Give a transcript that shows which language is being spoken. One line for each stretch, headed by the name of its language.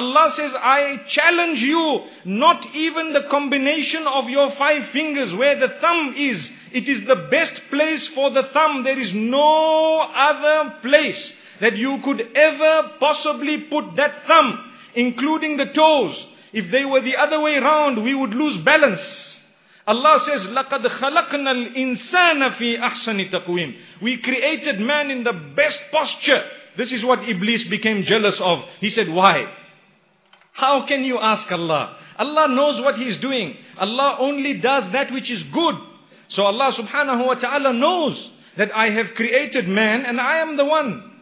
English: Allah says, I challenge you, not even the combination of your five fingers where the thumb is. It is the best place for the thumb. There is no other place that you could ever possibly put that thumb, including the toes. If they were the other way around, we would lose balance.
Arabic: Allah says, لَقَدْ خَلَقْنَا الْإِنسَانَ فِي أَحْسَنِ تَقْوِيمٍ.
English: We created man in the best posture. This is what Iblis became jealous of. He said, why? How can you ask Allah? Allah knows what He is doing. Allah only does that which is good. So Allah subhanahu wa ta'ala knows that I have created man and I am the one.